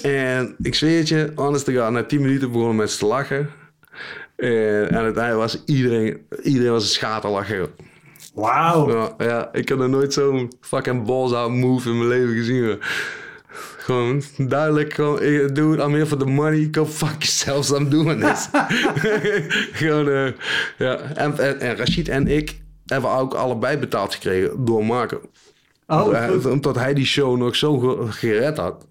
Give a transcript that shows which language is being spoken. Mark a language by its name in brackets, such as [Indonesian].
[Dutch] En ik zweer het je, [English] honest to God, [Dutch] na 10 minuten begonnen mensen te lachen. En aan het einde was iedereen was een schaterlacher. Wauw. Ja, ik had nog nooit zo'n [English] fucking balls out move [Dutch] in mijn leven gezien. Gewoon duidelijk, gewoon, [English] dude, I'm here for the money. Go fuck yourself, I'm doing this. [Dutch] Gewoon, ja. En Rashid en ik... hebben ook allebei betaald gekregen door Marco. Oh, omdat hij die show nog zo gered had.